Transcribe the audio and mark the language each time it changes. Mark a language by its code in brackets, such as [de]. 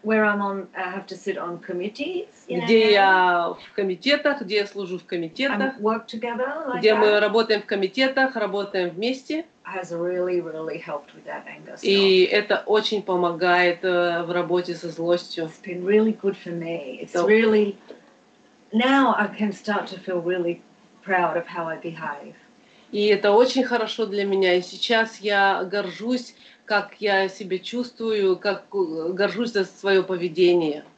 [en] Where I'm on, I have to sit on committees. [ru] Где я в комитетах, где я служу в комитетах. [en] And work together. Like [ru] где [en] that. [ru] Мы работаем в комитетах, работаем вместе. [en] Has really, really helped with that anger. [ru] И это очень помогает в работе со злостью. [en] It's been really good for me. It's really now I can start to feel really proud of how I behave. [ru] И это очень хорошо для меня. И сейчас я горжусь, как я себя чувствую, как горжусь за свое поведение.